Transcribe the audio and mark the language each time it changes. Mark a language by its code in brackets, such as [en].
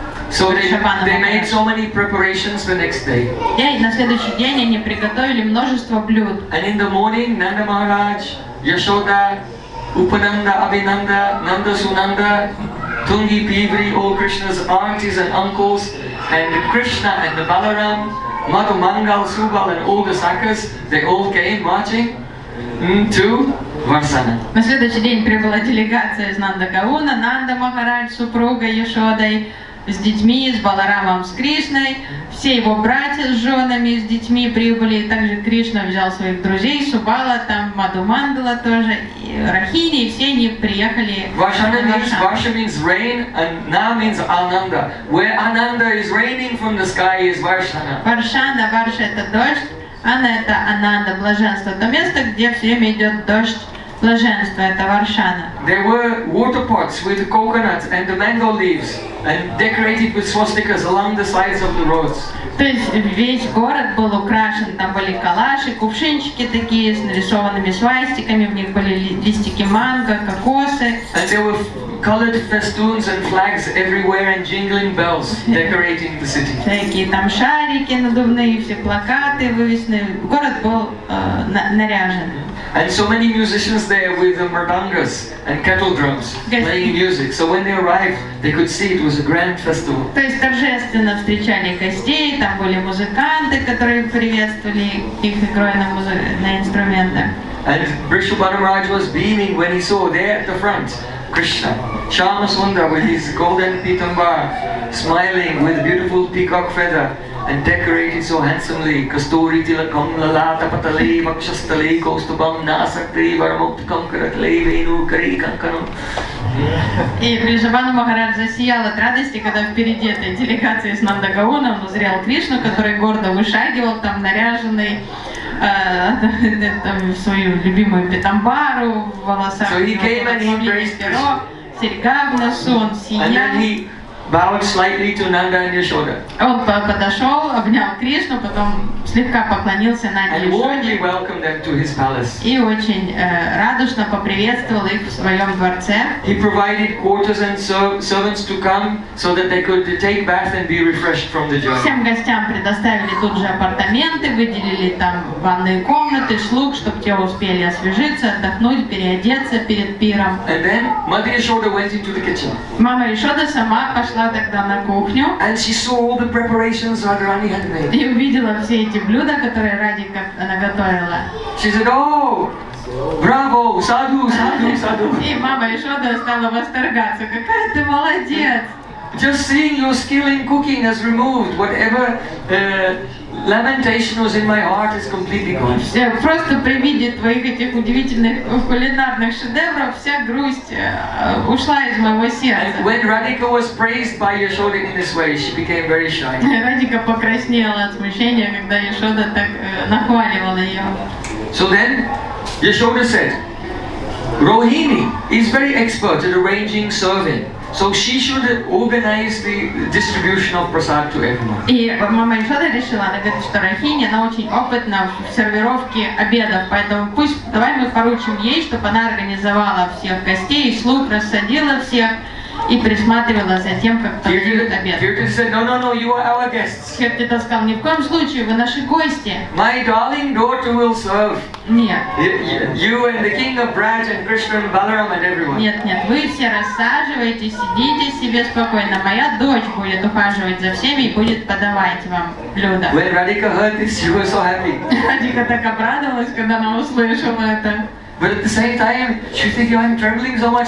[en] So they made so many preparations the next day. [ru] И на следующий день они приготовили множество блюд. [en] And in the morning, Nanda Maharaj, Yashoda, Upananda, Abhinanda, Nanda Sunanda, Tungi, Pivri, all Krishna's aunties and uncles, and Krishna and the Balaram, Madhu Mangal, Subal, and all the Sakas, they all came marching to Varsana. [ru] На следующий день прибыла делегация из Нанда Гауна, Нанда Махарадж, супруга Яшодой, с детьми, с Баларамом, с Кришной, все его братья с женами, с детьми прибыли, также Кришна взял своих друзей, Субала, там Маду Мандала тоже, и Рахини, и все они приехали. [en] Varsha means rain, and Na means Ananda. Where Ananda is raining from the sky is Varshana. [ru] Varshana, Varsha это дождь, Ана это Ананда, блаженство, то место, где все время идет дождь. Блаженство это Варшана. [en] There were water pots with coconuts and the mango leaves and decorated with swastikas along the sides of the roads. [ru] То есть весь город был украшен, там были калаши, кувшинчики такие с нарисованными свастиками, в них были листики манго, кокосы. [en] And there were colored festoons and flags everywhere and jingling bells decorating the city. [ru] Такие там шарики надувные, все плакаты вывешены. Город был наряжен. [en] And so many musicians there with the mardangas and kettle drums playing music. So when they arrived, they could see it was a grand festival. [ru] То есть торжественно встречали гостей, там были музыканты, которые приветствовали их игрой на инструментах. [en] And Vrishabhanu Maharaj was beaming when he saw there at the front Krishna, Shyama Sundar with his golden pitambara, smiling with a beautiful peacock feather. And decorated so handsomely, [sa] kasturi tilakam lala tapatali vakshastali kostubam nasakti varamuktakam karatali venu kari kankanam. [ru] И Vrishabhanu Maharaj засиял от радости, когда впереди этой делегации с Нанда Гауна он узрел Кришну, который гордо вышагивал там наряженный там свою любимую питамбару в волосах. [en] So he came and embraced Krishna. [ru] Серьга в носу, он сиял. [en] Bowed slightly to Nanda and Yashoda. [ru] Он подошел, обнял Кришну, потом слегка поклонился Нанде и Яшоде. [en] And warmly welcomed them to his palace. [ru] И очень радушно поприветствовал их в своем дворце. [en] He provided quarters and servants to come so that they could take bath and be refreshed from the journey. [ru] Всем гостям предоставили тут же апартаменты, выделили там ванные комнаты, слуг, чтобы те успели освежиться, отдохнуть, переодеться перед пиром. [en] And then Mother Yashoda went into the kitchen. [ru] Мама Яшода сама пошла тогда на кухню. [en] And she saw all the preparations Radharani had made. [ru] И увидела все эти блюда, которые Радика наготовила. [en] She said, oh, bravo, sadhu, sadhu, sadhu. [ru] И мама Яшода стала восторгаться. Какая ты молодец! [en] Just seeing your skill in cooking has removed whatever lamentation was in my heart is completely gone. [ru] Просто при виде твоих этих удивительных кулинарных шедевров вся грусть ушла из моего сердца. [en] When Radhika was praised by Yashoda in this way, she became very shy. [ru] Радика покраснела от смущения, когда Яшода так нахваливала ее. [en] So then Yashoda said, Rohini is very expert at arranging serving. So she should organize the distribution of prasad to everyone. [ru] И присматривала за тем, как подают обед. [en] Kirtan said, no, no, no, you are our guests. [ru] Kirtan сказал, ни в коем случае, вы наши гости. [en] My darling daughter will serve. [ru] Нет. [en] You and the king of Braj and Krishna and Balaram and everyone. [ru] Нет, нет, вы все рассаживаетесь, сидите себе спокойно. Моя дочь будет ухаживать за всеми и будет подавать вам блюда. [en] When Radhika heard this, she was so happy. [ru] Радика так обрадовалась, когда она услышала это. [en] But at the same time, she said, "I'm traveling so much.